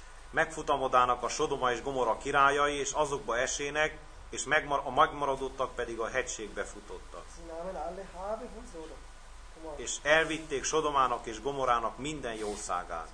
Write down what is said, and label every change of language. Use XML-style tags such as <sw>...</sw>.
<hu>Megfutamodának a Sodoma és Gomorra királyai, és azokba esének, és a megmaradottak pedig a hegységbe futottak.</hu> <de>Sie nahmen alle Habe von Sodom.</de> <hu>És elvitték Sodomának és Gomorának minden jószágát.</hu>